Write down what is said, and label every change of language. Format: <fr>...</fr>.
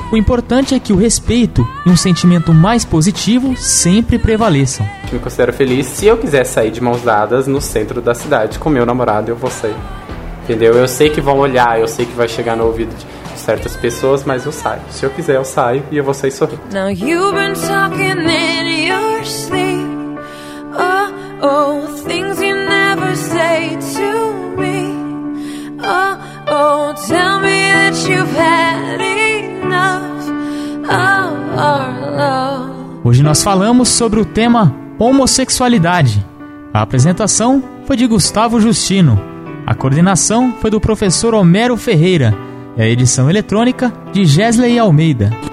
<pt>O importante é que o respeito e um sentimento mais positivo sempre prevaleçam. Me considero feliz. Se eu quiser sair de mãos dadas no centro da cidade com meu namorado, eu vou sair. Entendeu? Eu sei que vão olhar, eu sei que vai chegar no ouvido de certas pessoas, mas eu saio. Se eu quiser, eu saio e eu vou sair sorrindo.</pt> <en>Now you've been talking in your sleep. Oh, oh, things you never say to me. Oh, oh, tell me that you've had enough of our love.</en> <pt>Hoje nós falamos sobre o tema homossexualidade. A apresentação foi de Gustavo Justino. A coordenação foi do professor Homero Ferreira. E a edição eletrônica de Gesley Almeida.</pt>